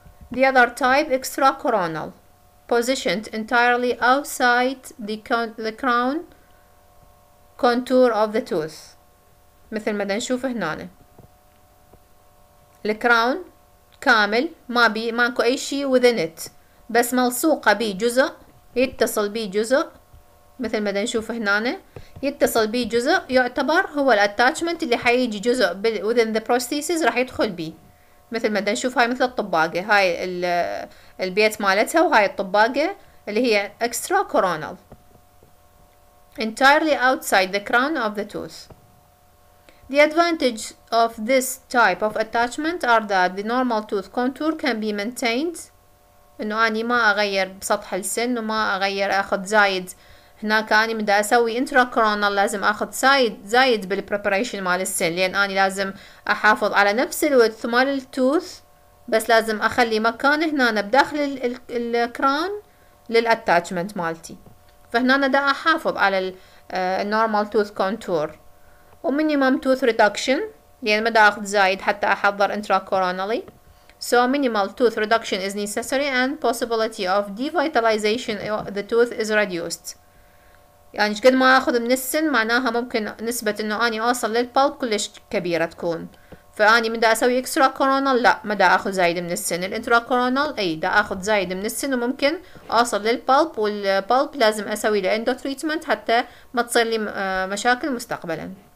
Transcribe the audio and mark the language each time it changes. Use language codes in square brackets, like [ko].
[en] The other type extracoronal, positioned entirely outside the crown contour of the tooth. [ar] مثل ما نشوف هنا. الكراون كامل ما بي ماكو اي شيء [en] within it [ar] بس ملصوقة بي جزء يتصل به جزء مثل ما نشوف هنا يتصل به جزء يعتبر هو الاتاتشمنت اللي حيجي جزء [en] within the prosthesis [ar] راح يدخل به مثل ما نشوف هاي مثل الطباقة هاي البيت مالتها وهاي الطباقة اللي هي [en] extra coronal entirely outside the crown of the tooth. The advantage of this type of attachment are that the normal tooth contour can be maintained. [ar] إنه أني ما أغير بسطح السن وما أغير أخذ زايد هناك. أني من دا أسوي intracoronal لازم أخذ زايد بالpreparation مال السن، لأن أني لازم أحافظ على نفس الوث مال التوث، بس لازم أخلي مكان هنا بداخل الكران للأتاتشمنت مالتي. فهنا أنا دا أحافظ على النورمال توث كونتور ومينيمم توث ريدكشن، لأن ما دا أخذ زايد حتى أحضر intracoronally. [en] So minimal tooth reduction is necessary and possibility of devitalization of the tooth is reduced. [ar] يعني قد ما أخذ من السن معناها ممكن نسبة إنه أني أوصل للبلب كلش كبيرة تكون. فأني من دا أسوي إكسترا كورونال لا، ما دا أخذ زايد من السن. الإنترا كورونال أي دا أخذ زايد من السن وممكن أوصل للبلب، والبلب لازم أسوي له إندو تريتمنت حتى ما تصير لي مشاكل مستقبلا.